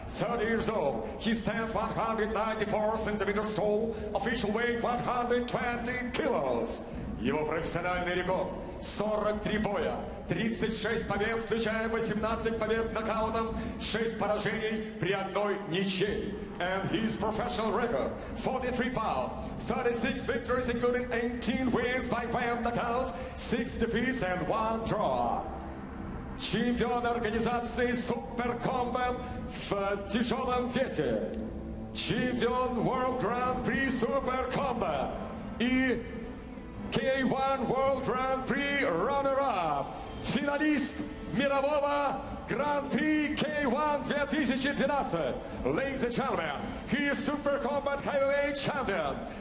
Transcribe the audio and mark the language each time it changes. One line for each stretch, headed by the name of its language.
English: 30 years old, he stands 194 centimeters tall, official weight 120 kilos.
Russian: Его профессиональный рекорд 43 боя, 36 побед, включая 18 побед нокаутом, 6 поражений при одной ничьей.
English: And his professional record 43 bouts, 36 victories, including 18 wins by way of knockout, 6 defeats and 1 draw.
Russian: Чемпион организации Super Combat в тяжелом весе. Чемпион World Grand Prix Super Combat и K1 World Grand Prix Runner-Up. Финалист мирового Гран-при K1 2012.
English: Ladies and gentlemen, he is Super Combat Heavyweight Champion.